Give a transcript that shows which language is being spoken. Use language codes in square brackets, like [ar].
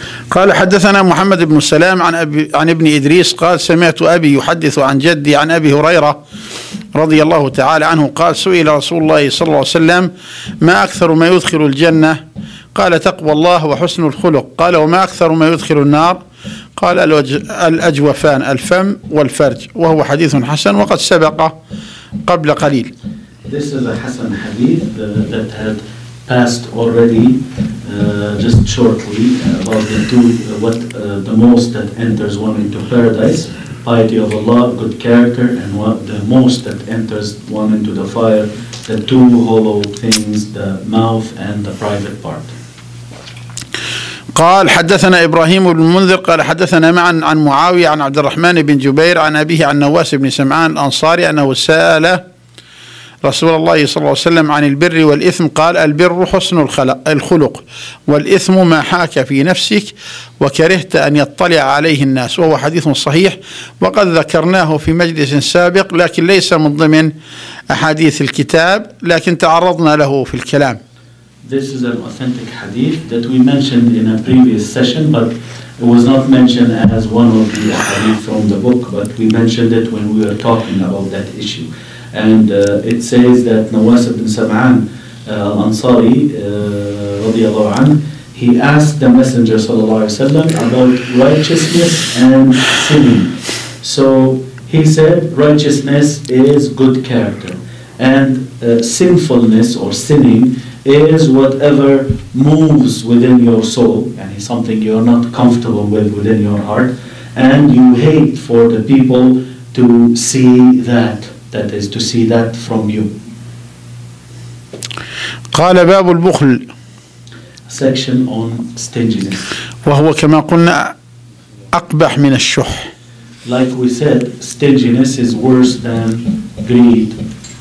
[ar] قال حدثنا محمد بن سلام عن عن ابن إدريس قال سمعت أبي يحدث عن جدي عن أبي هريرة رضي الله تعالى عنه قال سئل رسول الله صلى الله عليه وسلم ما أكثر ما يدخل الجنة قال تقوى الله وحسن الخلق قال وما أكثر ما يدخل النار قال الأجوفان الفم والفرج، وهو حديث حسن وقد سبق قبل قليل. [en] This is a Hassan hadith that had passed already just shortly about the two what the most that enters one into paradise, piety of Allah, good character, and what the most that enters one into the fire, the two hollow things, the mouth and the private part. [ar] قال حدثنا إبراهيم بن المنذر قال حدثنا معا عن معاوية عن عبد الرحمن بن جبير عن أبيه عن نواس بن سمعان الأنصاري أنه سأل رسول الله صلى الله عليه وسلم عن البر والإثم، قال البر حسن الخلق، والإثم ما حاك في نفسك وكرهت أن يطلع عليه الناس، وهو حديث صحيح وقد ذكرناه في مجلس سابق لكن ليس من ضمن أحاديث الكتاب لكن تعرضنا له في الكلام. [en] This is an authentic hadith that we mentioned in a previous session, but it was not mentioned as one of the hadith from the book, but we mentioned it when we were talking about that issue. And it says that Nawas ibn Sam'an Ansari, radiallahu anhu, he asked the Messenger sallallahu alayhi wa sallam about righteousness and sinning. So he said righteousness is good character, and sinfulness or sinning is whatever moves within your soul, and it's something you're not comfortable with within your heart, and you hate for the people to see that is to see that from you. [ar] قال باب البخل. [en] Section on stinginess. [ar] وهو كما قلنا أقبح من الشح. [en] Like we said, stinginess is worse than greed.